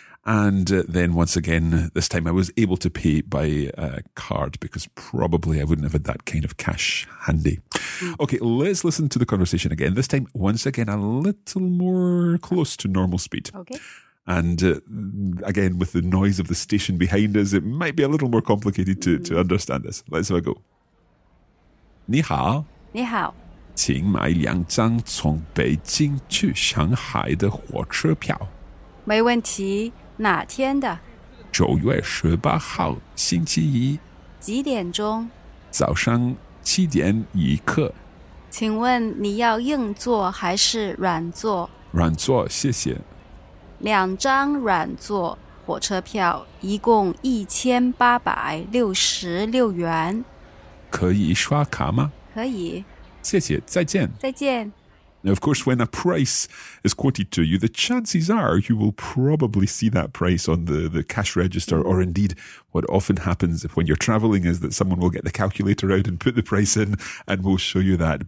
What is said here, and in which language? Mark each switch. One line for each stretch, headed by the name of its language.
English: And then once again, this time I was able to pay by a card because probably I wouldn't have had that kind of cash handy. Okay, let's listen to the conversation again. This time, once again, a little more close to normal speed. Okay. And again, with the noise of the station behind us, it might be a little more complicated to understand this. Let's have a go.
Chinese: 你好。你好。请买两张从北京去上海的火车票。没问题。哪天的？九月十八号，星期一。几点钟？早上七点一刻。请问你要硬座还是软座？软座，谢谢。两张软座火车票，一共1866元。可以刷卡吗？可以。谢谢，再见。再见。
English: Now, of course, when a price is quoted to you, the chances are you will probably see that price on the cash register. Or indeed, what often happens when you're traveling is that someone will get the calculator out and put the price in and will show you that.